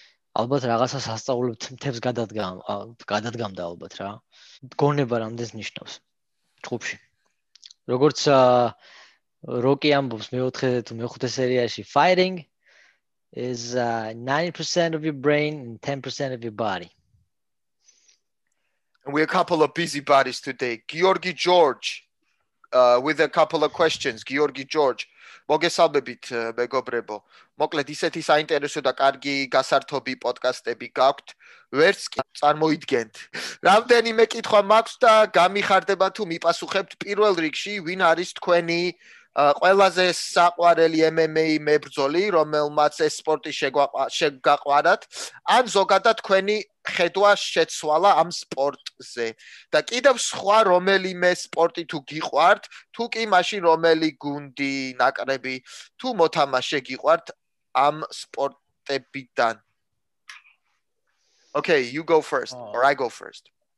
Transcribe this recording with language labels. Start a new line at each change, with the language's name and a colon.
Georgian: ალბათ რაღაცა სასწაულებს თემებს გადადგამდა ალბათ რა. გონება რამდენს ნიშნავს ჯგუფში. როგორც როკი ამბობს მეოთხე თუ მეხუთე სერიაში,
English: fighting is 90% of your brain and 10% of your body. And we're a couple of busy bodies today. Georgi George with a couple of questions.
Georgian: Georgi George, მოგესალმებით მეგობრებო. მოკლედ ისეთი საინტერესო და კარგი გასართობი პოდკასტები გაქვთ. ვერც კი წარმოიდგენთ. რამდენიმე კითხვა მაქვს და გამიხარდება თუ მიპასუხებთ. პირველ რიგში, ვინ არის თქვენი ყველაზე საყვარელი MMA მებრძოლი, რომელმაც ეს სპორტი შეგაყვარათ, ან ზოგადად თქვენი ხედვა შეცვალა ამ სპორტზე. და კიდევ სხვა რომელიმე სპორტი თუ გიყვართ, თუ კი მაშინ რომელი გუნდი, ნაკრები თუ მოთამაშე გიყვართ ამ სპორტებიდან.
English: Okay, you go first or I go first.